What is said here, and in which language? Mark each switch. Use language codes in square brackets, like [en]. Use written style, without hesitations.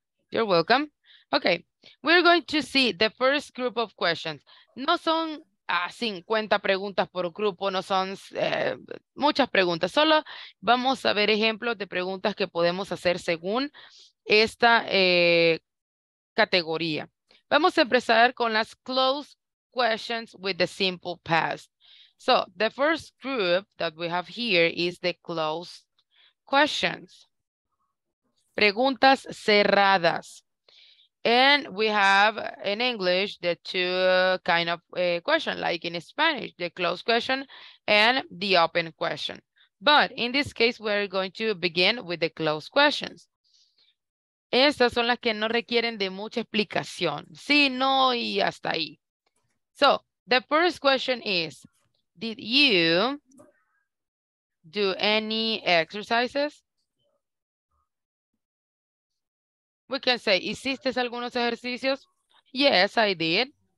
[en] You're welcome. Okay, we're going to see the first group of questions. [es] No son 50 preguntas por grupo, no son muchas preguntas. Solo vamos a ver ejemplos de preguntas que podemos hacer según esta categoría. Vamos a empezar con las [en] close questions with the simple past. So the first group that we have here is the close questions. [es] Preguntas cerradas. [en] And we have in English the two kind of question, like in Spanish, the closed question and the open question. But in this case, we're going to begin with the closed questions. [es] Estas son las que no requieren de mucha explicación. Sí, no, y hasta ahí. [en] So the first question is, did you do any exercises? We can say, [es] ¿hiciste algunos ejercicios? [en] Yes, I did.